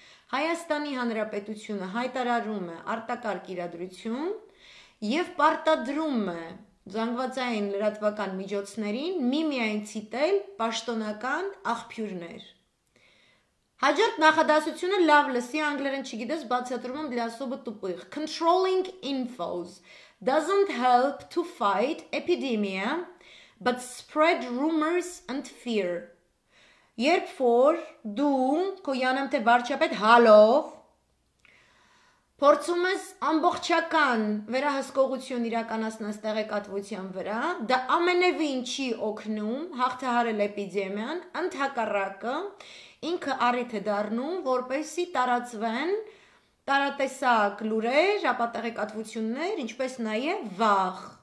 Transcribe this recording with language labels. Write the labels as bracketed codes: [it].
[hy] Հայաստանի Հանրապետությունը հայտարարում է արտակարգ իրադրություն և պարտադրում է զանգվածային լրատվական միջոցներին միմիայն ցիտել պաշտոնական աղբյուրներ։ Հաջորդ նախադասությունը լավ լսի, անգլերեն չգիտես, բացատրում եմ լյասոբը տուպիղ. [en] Controlling infos doesn't help to fight epidemia, but spread rumors and fear. [hy] Երբ որ դու քո յանամ թե վարչապետ հալով փորձում ես ամբողջական վերահսկողություն իրականացնել տեղեկատվության վրա, դա ամենևին չի օգնում հաղթահարել էպիդեմիան, ընդհակառակը ինքը առիթ է դառնում, որպեսզի տարածվեն տարատեսակ լուրեր, ապատեղեկատվություններ, ինչպես նաև վախ։